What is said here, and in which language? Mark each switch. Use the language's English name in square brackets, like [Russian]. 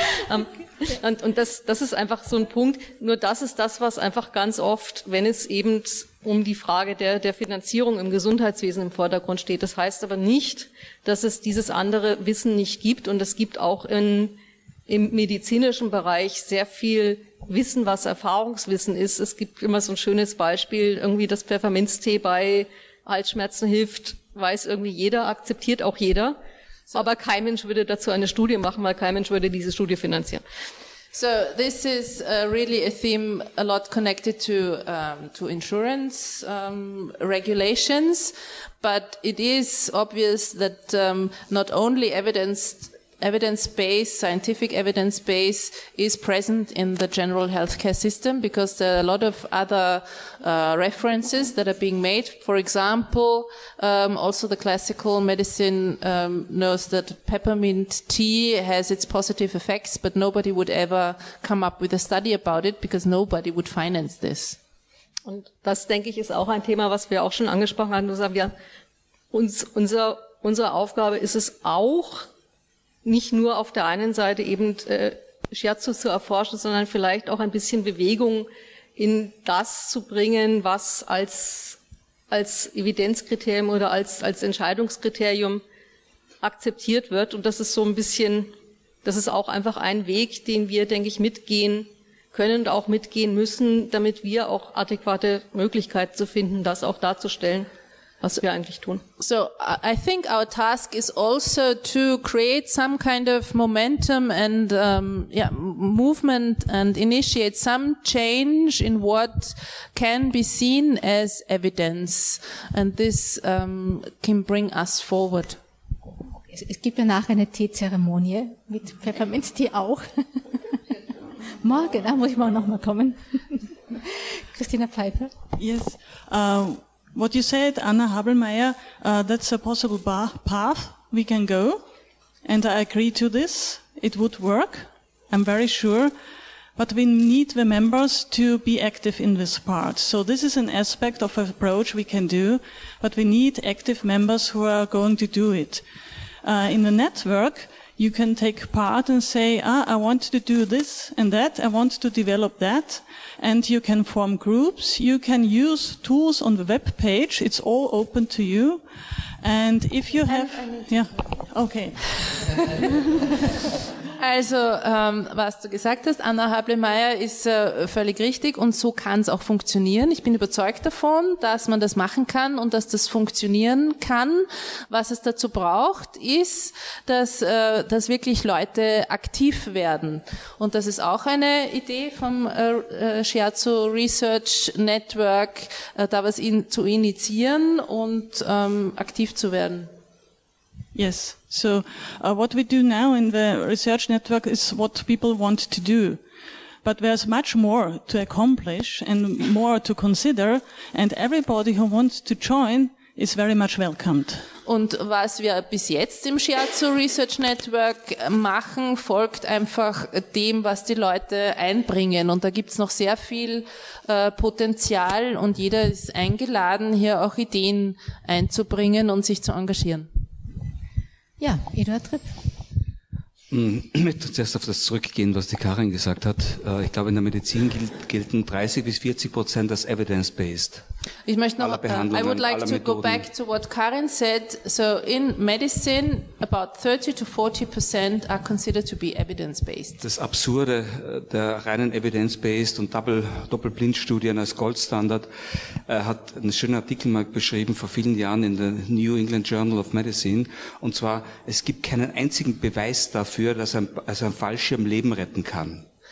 [German] Und das ist einfach so ein Punkt, nur das ist das, was einfach ganz oft, wenn es eben um die Frage der Finanzierung im Gesundheitswesen im Vordergrund steht, das heißt aber nicht, dass es dieses andere Wissen nicht gibt und es gibt auch im medizinischen Bereich sehr viel Wissen, was Erfahrungswissen ist. Es gibt immer so ein schönes Beispiel, irgendwie das Pfefferminztee bei Halsschmerzen hilft, weiß irgendwie jeder, akzeptiert auch jeder. So, aber kein Mensch würde dazu eine Studie machen, weil kein Mensch würde diese Studie finanzieren. [English] So this is really a theme a lot connected to insurance regulations, but it is obvious that not only evidence-based, scientific evidence base is present in the general healthcare system, because there are a lot of other references that are being made. For example, also the classical medicine knows that peppermint tea has its positive effects, but nobody would ever come up with a study about it, because nobody would finance this. [German] Und das, denke ich, ist auch ein Thema, was wir auch schon angesprochen haben. Nur sagen wir, unsere Aufgabe ist es auch, nicht nur auf der einen Seite eben Shiatsu zu erforschen, sondern vielleicht auch ein bisschen Bewegung in das zu bringen, was als Evidenzkriterium oder als Entscheidungskriterium akzeptiert wird. Und das ist so ein bisschen, das ist auch einfach ein Weg, den wir, denke ich, mitgehen können und auch mitgehen müssen, damit wir auch adäquate Möglichkeiten zu finden, das auch darzustellen, was wir eigentlich tun. [English] So I think our task is also to create some kind of momentum and movement and initiate some change in what can be seen as evidence, and this can bring us forward. [German] Es gibt ja nachher eine Teezeremonie mit Pfefferminztee auch. Morgen, da muss ich mal nochmal kommen. Christina Pfeiffer. [English] Yes. What you said, Anna Habelmeier, that's a possible path we can go, and I agree to this, it would work, I'm very sure, but we need the members to be active in this part. So this is an aspect of an approach we can do, but we need active members who are going to do it. In the network, you can take part and say, I want to do this and that, I want to develop that, and you can form groups, you can use tools on the web page, it's all open to you, and if you have, yeah, okay. [German] Also, was du gesagt hast, Anna Hablemeyer, ist völlig richtig und so kann es auch funktionieren. Ich bin überzeugt davon, dass man das machen kann und dass das funktionieren kann. Was es dazu braucht, ist, dass wirklich Leute aktiv werden. Und das ist auch eine Idee vom Shiatsu Research Network, da was zu initiieren und aktiv zu werden. [English] Yes. So, what we do now in the research network is what people want to do. But there's much more to accomplish and more to consider, and everybody who wants to join is very much welcomed. [German] Und was wir bis jetzt im Shiatsu Research Network machen, folgt einfach dem, was die Leute einbringen. Und da gibt's noch sehr viel Potenzial und jeder ist eingeladen, hier auch Ideen einzubringen und sich zu engagieren. Ja, Eduard Tripp. Ich möchte zuerst auf das zurückgehen, was die Karin gesagt hat. Ich glaube, in der Medizin gelten 30-40% als evidence-based. Ich möchte noch, [English] I would like to go back to what Karin said. So in medicine, about 30-40% are considered to be evidence-based. [German] Das Absurde der reinen evidence-based und Doppelblindstudien als Goldstandard hat einen schönen Artikel mal beschrieben vor vielen Jahren in der New England Journal of Medicine. Und zwar, es gibt keinen einzigen Beweis dafür, dass ein Fallschirm Leben retten kann.